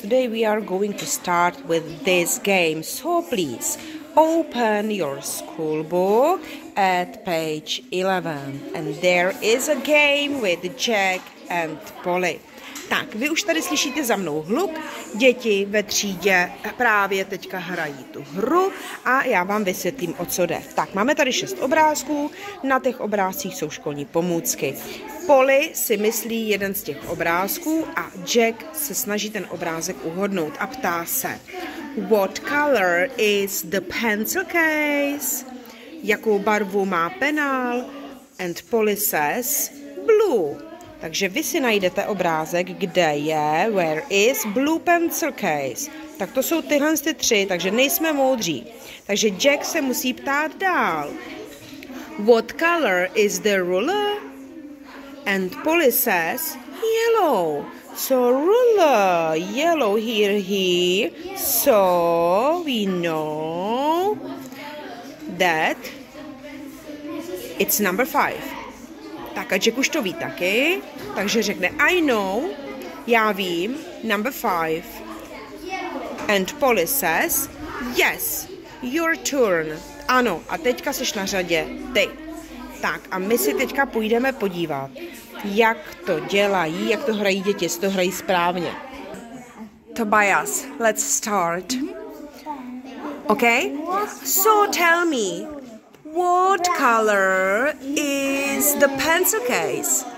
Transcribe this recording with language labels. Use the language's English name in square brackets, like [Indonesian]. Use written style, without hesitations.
[English] Today we are going to start with this game. So please, open your school book at page 11. And there is a game with Jack and Polly. [Czech] Tak, vy už tady slyšíte za mnou hluk. Děti ve třídě právě teďka hrají tu hru a já vám vysvětlím, o co jde. Tak, máme tady 6 obrázků. Na těch obrázcích jsou školní pomůcky. Polly si myslí jeden z těch obrázků a Jack se snaží ten obrázek uhodnout a ptá se, [English] what color is the pencil case? [Czech] Jakou barvu má penál? [English] And Polly says blue. [Czech] Takže vy si najdete obrázek, kde je, [English] where is blue pencil case. [Czech] Tak to jsou tyhle ty tři, takže nejsme moudří. Takže Jack se musí ptát dál. [English] What color is the ruler? And Polly says, yellow. So ruler, yellow here, so we know that it's number 5. [Czech] Tak a Jack už to ví taky, takže řekne, [English] I know, [Czech] já vím, [English] number 5. And Polly says, yes, your turn. [Czech] Ano, a teďka jsi na řadě, ty. Tak a my si teďka půjdeme podívat, jak to dělají, jak to hrají děti, jestli to hrají správně. [English] Tobias, let's start. Okay? So tell me, what color is the pencil case?